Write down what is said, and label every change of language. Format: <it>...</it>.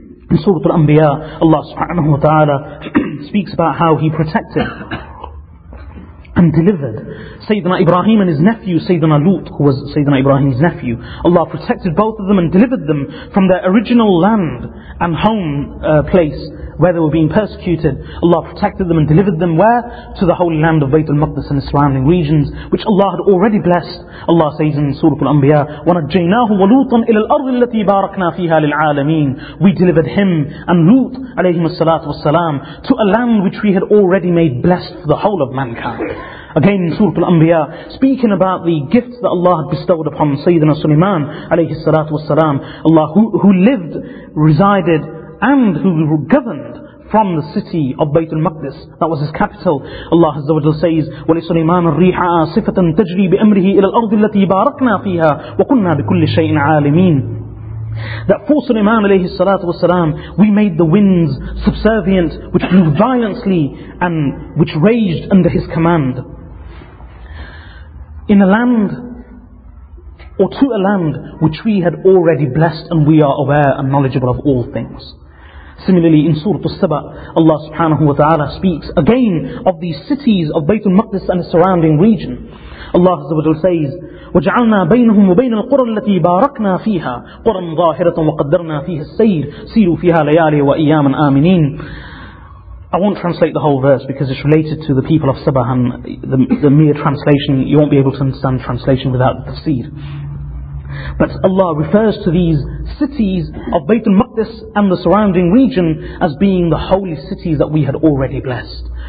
<en>In Surah al-Anbiya, Allah subhanahu wa ta'ala speaks about how He protected and delivered Sayyidina Ibrahim and his nephew, Sayyidina Lut, who was Sayyidina Ibrahim's nephew. Allah protected both of them and delivered them from their original land and home place where they were being persecuted. Allah protected them and delivered them where? To the holy land of Bayt al-Maqdis and the surrounding regions, which Allah had already blessed. Allah says in Surah Al-Anbiya,</en> <ar>وَنَجَّيْنَاهُ وَلُوطًا إِلَى الْأَرْضِ الَّتِي بَارَكْنَا فِيهَا لِلْعَالَمِينَ.</ar> <en>We delivered him and Lut alayhim as-salatu was-salam to a land which we had already made blessed for the whole of mankind. Again in Surah Al-Anbiya, speaking about the gifts that Allah had bestowed upon Sayyidina Sulaiman alayhi salatu was-salam, Allah who lived, resided, and who governed from the city of Bayt al-Maqdis, that was his capital. Allah Azza wa Jalla says,</en> <ar>وَلِسُلَيْمَانَ الرِّيحَ عَاصِفَةً تَجْرِي بِأَمْرِهِ إِلَى الْأَرْضِ الَّتِي بَارَكْنَا فِيهَا وَكُنَّا بِكُلِّ شَيْءٍ عَالِمِينَ.</ar> <en>That for Sulaiman alayhi salatu wasalam, we made the winds subservient, which blew violently and which raged under his command, in a land, or to a land which we had already blessed, and we are aware and knowledgeable of all things. Similarly, in Surah Al-Saba, Allah subhanahu wa ta'ala speaks again of these cities of Bayt al-Maqdis and the surrounding region. Allah Azza wa Jalla says,</en> <ar>وَجَعَلْنَا بَيْنَهُمْ وَبَيْنَ الْقُرَى الَّتِي بَارَكْنَا فِيهَا قُرًا ظَاهِرَةً وَقَدَّرْنَا فِيهَا السَّيْرَ سِيرُوا فِيهَا لَيَالِيَ وَأَيَّامًا آمِنِينَ.</ar> <en>I won't translate the whole verse because it's related to the people of Sabah, and the mere translation, you won't be able to understand the translation without the tafsir. But Allah refers to these cities of Bayt al-Maqdis and the surrounding region as being the holy cities that we had already blessed.</en>